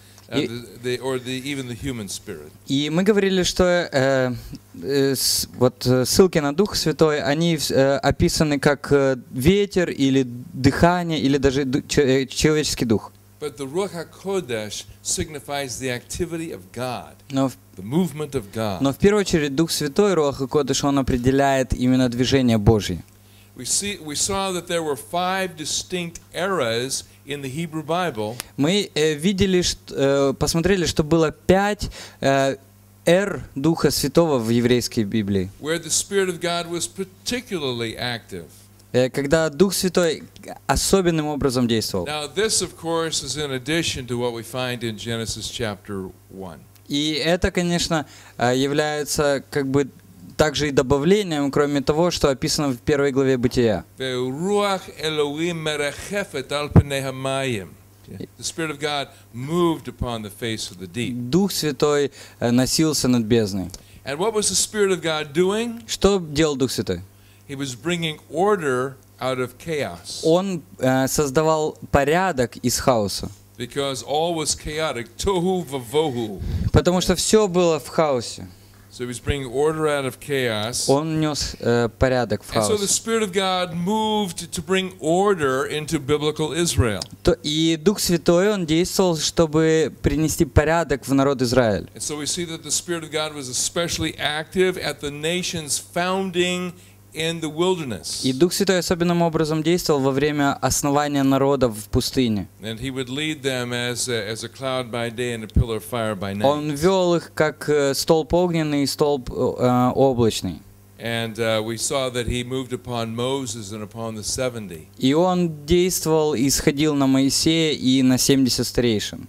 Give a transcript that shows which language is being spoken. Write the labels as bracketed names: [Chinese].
[Russian] И мы говорили, что вот ссылки на Дух Святой, они описаны как ветер или дыхание или даже человеческий дух. [English] But the Ruach HaKodesh signifies the activity of God, the movement of God. [Russian] Но в первую очередь Дух Святой, Руах HaKodesh, он определяет именно движение Божье. [English] We saw that there were five distinct eras in the Hebrew Bible. [Russian] Мы видели, посмотрели, что было пять эр Духа Святого в еврейской Библии. [English] Where the Spirit of God was particularly active. [Russian] Когда Дух Святой особенным образом действовал. [English] Now this, of course, is in addition to what we find in Genesis chapter 1. [Russian] И это, конечно, является как бы также и добавлением, кроме того, что описано в первой главе Бытия. [Hebrew] Ruach Elohim merachefet al pnei hamayim. [English] The Spirit of God moved upon the face of the deep. [Russian] Дух Святой носился над бездной. [English] And what was the Spirit of God doing? [Russian] Что делал Дух Святой? [English] He was bringing order out of chaos. [Russian] Он создавал порядок из хаоса. [English] Because all was chaotic, [Hebrew] tohu vavohu. [Russian] Потому что все было в хаосе. [English] So he was bringing order out of chaos. [Russian] Он нес порядок в хаос. [English] And so the Spirit of God moved to bring order into biblical Israel. [Russian] И Дух Святой он действовал, чтобы принести порядок в народ Израиль. [English] And so we see that the Spirit of God was especially active at the nation's founding in the wilderness. [Russian] И Дух Святой особенным образом действовал во время основания народа в пустыне. [English] And he would lead them as a cloud by day and a pillar of fire by night. [Russian] Он вёл их как столб огненный и столб облачный. [English] And we saw that he moved upon Moses and upon the 70. [Russian] И он действовал и сходил на Моисея и на 70 старейшин.